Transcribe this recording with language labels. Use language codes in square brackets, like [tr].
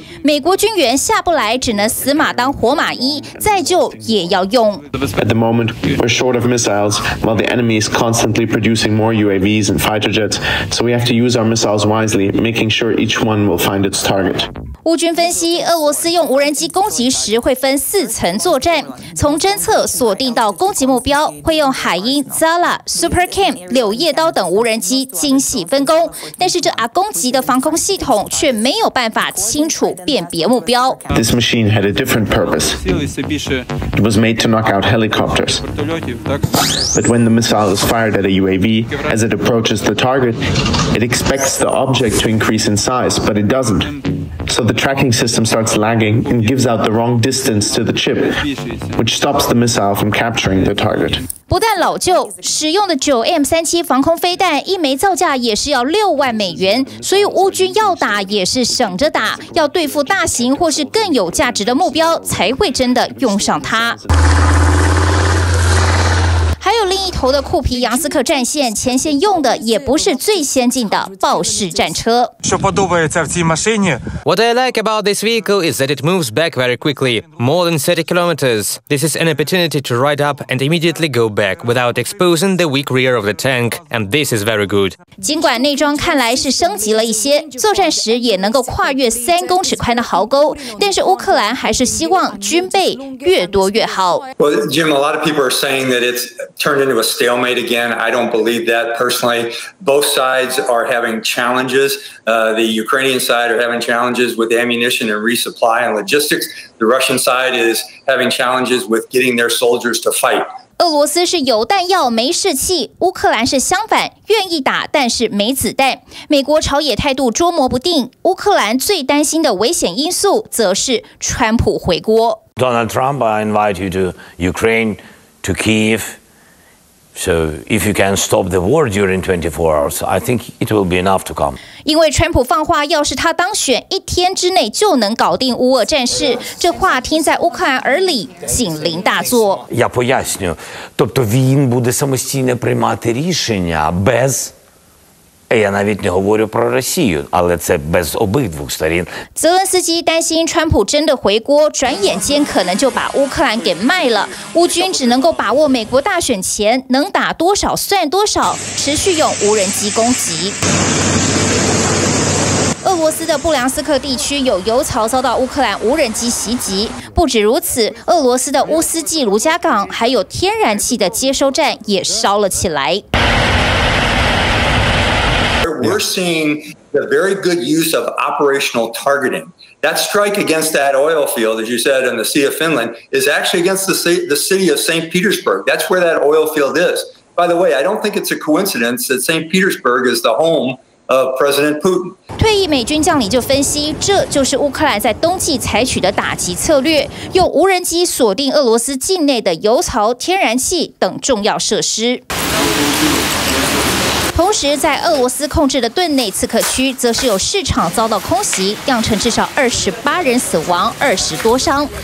[zh] 美国军援下不来，只能死马当活马医，再救也要用。 [en] At the moment, we're short of missiles, while the enemy is constantly producing more UAVs and fighter jets. So we have to use our missiles wisely, making sure each one will find its target. [zh] 乌军分析，俄罗斯用无人机攻击时会分四层作战，从侦测锁定到攻击目标，会用海鹰、Zala、Super Cam、柳叶刀等无人机精细分工。但是这阿公级的防空系统却没有办法清楚辨别目标。 [en] This machine had a different purpose. It was made to knock out helicopters. But when the missile is fired at a UAV, as it approaches the target, it expects the object to increase in size, but it doesn't. So the tracking system starts lagging and gives out the wrong distance to the chip, which stops the missile from capturing the target. [zh] 不但老旧，使用的 9M37 防空飞弹一枚造价也是要$60,000，所以乌军要打也是省着打，要对付大型或是更有价值的目标才会真的用上它。还有另一头的库皮扬斯克战线，前线用的也不是最先进的豹式战车。 [en] What I like about this vehicle is that it moves back very quickly, more than 30 kilometers. This is an opportunity to ride up and immediately go back without exposing the weak rear of the tank, and this is very good. [zh] 尽管内装看来是升级了一些，作战时也能够跨越3公尺宽的壕沟，但是乌克兰还是希望军备越多越好。 [en] Well, Jim, a lot of people are saying that it's turned into a stalemate again. I don't believe that personally. Both sides are having challenges. The Ukrainian side are having challenges with ammunition and resupply and logistics. The Russian side is having challenges with getting their soldiers to fight. [zh] 俄罗斯是有弹药没士气，乌克兰是相反，愿意打但是没子弹。美国朝野态度捉摸不定，乌克兰最担心的危险因素则是川普回国。 [en] Donald Trump, I invite you to Ukraine, to Kyiv. So if you can stop the war during 24 hours, I think it will be enough to come. [zh] 因为川普放话，要是他当选，一天之内就能搞定乌俄战事。这话听在乌克兰耳里，警铃大作。 [uk] Я поясню, тобто він буде самостійно приймати рішення без... Я навіть не говорю про Росію, але це без обидвох сторін. [zh] 泽连斯基担心川普真的回锅，转眼间可能就把乌克兰给卖了。乌军只能够把握美国大选前能打多少算多少，持续用无人机攻击。俄罗斯的布良斯克地区有油槽遭到乌克兰无人机袭击。不止如此，俄罗斯的乌斯季卢加港还有天然气的接收站也烧了起来。 [en] We're seeing the very good use of operational targeting. That strike against that oil field, as you said, in the Sea of Finland, is actually against the city of St. Petersburg. That's where that oil field is. By the way, I don't think it's a coincidence that St. Petersburg is the home of President Putin. [zh] 退役美军将领就分析，这就是乌克兰在冬季采取的打击策略，用无人机锁定俄罗斯境内的油槽、天然气等重要设施。同时，在俄罗斯控制的顿内茨克区，则是有市场遭到空袭，酿成至少28人死亡、20多伤。